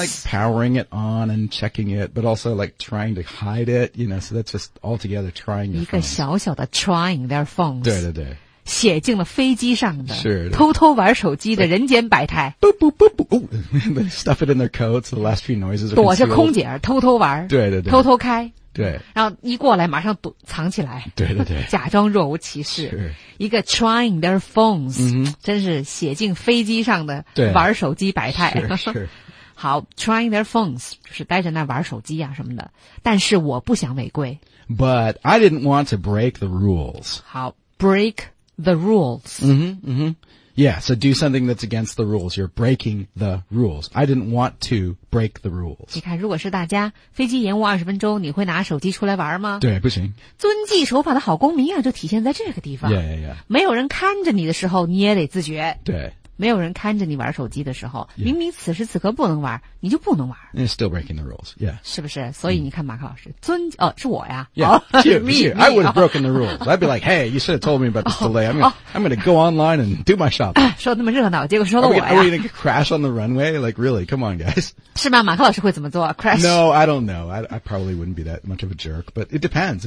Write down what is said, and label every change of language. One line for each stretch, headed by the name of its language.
English: Like powering it on and checking it, but also like trying to hide it, you know, so that's just altogether trying your phones.
Chinese: 一个小小的
English: trying their phones.
Chinese: 对对对。写进了飞机上的
English: sure,
Chinese: 偷偷玩手机的人间百态
English: boop, boop, boop, boop.、Oh, they stuff it in their coats the last few noises are
Chinese: 躲着空姐偷偷玩对对对偷偷开对然后一过来马上躲藏起来对对对假装若无其事、
English: sure.
Chinese: 一个
English: trying their phones、 mm-hmm.
Chinese: 真是写进飞机上的玩手机百态
English: sure, sure.
Chinese: 好
English: trying their phones
Chinese: 就是待在那玩手机啊什么的但是我不想违规
English: but I didn't want to break the rules 好 break the rules. Mm-hmm, mm-hmm. Yeah, so do something that's against the rules. You're breaking the rules. I didn't want to break the rules.
Chinese: 你看，如果是大家，飞机延误20分钟，你会拿手机出来玩吗？对，不行。遵纪守法的好公民啊，就体现在这个地方。
English: Yeah, yeah, yeah.
Chinese: 没有人看着你的时候，你也得自觉。对。没有人看着你玩手机的时候、
English: yeah.
Chinese: 明明此时此刻不能玩你就不能玩
English: You're still breaking the rules, yeah.
Chinese: 是不是所以你看马克老师尊哦是我呀
English: Yeah,、 oh, it's you, it's you. I would have broken the rules. I'd be like, hey, you should have told me about this delay. I'm going to go online and do my shopping.
Chinese: 说那么热闹结果说了我呀
English: Are we going to crash on the runway? Like, really, come on, guys.
Chinese: 是吗马克老师会怎么做 Crash?
English: No, I don't know. I probably wouldn't be that much of a jerk, but it depends.